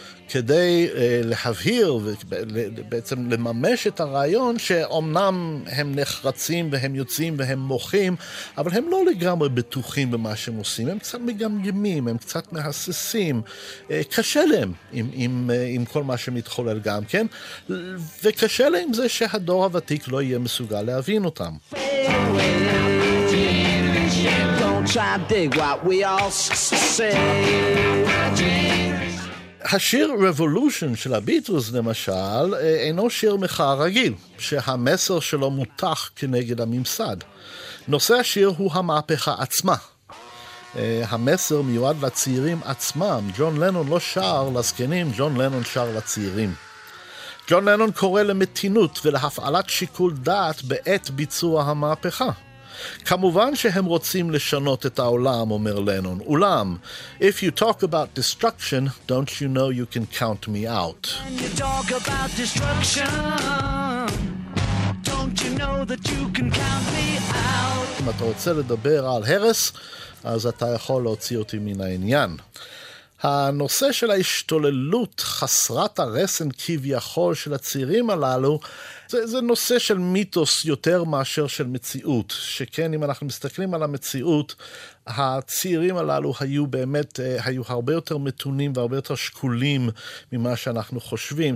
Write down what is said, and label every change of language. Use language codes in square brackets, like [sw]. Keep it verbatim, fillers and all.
[he] כדי להבהיר ובעצם לממש את הרעיון שאומנם הם נחרצים והם יוצאים והם מוחים, אבל הם לא לגמרי בטוחים במה שהם עושים, הם קצת מגמגמים, הם קצת מהססים, קשה להם עם, עם, עם כל מה שמתחולל גם כן, וקשה להם זה שהדור הוותיק לא יהיה מסוגל להבין אותם. [en] Don't try to dig what we all say. [he] השיר Revolution של הביטלס למשל אינו שיר מחאה רגיל שהמסר שלו מותח כנגד הממסד. נושא השיר הוא המהפכה עצמה. המסר מיועד לצעירים עצמם. ג'ון לנון לא שר לזקנים, ג'ון לנון שר לצעירים. ג'ון לנון קורא למתינות ולהפעלת שיקול דעת בעת ביצוע המהפכה. כמובן שהם רוצים לשנות את העולם, אומר לנון, אולם [en] If you talk about destruction, don't you know you can count me out? When you talk about destruction, don't you know that you can count me out? [he] אם אתה רוצה לדבר על הרס, אז אתה יכול להוציא אותי מן העניין. הנושא של ההשתוללות חסרת הרסן כביכול של הצעירים הללו, זה, זה נושא של מיתוס יותר מאשר של מציאות, שכן אם אנחנו מסתכלים על המציאות, הצעירים הללו היו באמת, היו הרבה יותר מתונים והרבה יותר שקולים ממה שאנחנו חושבים.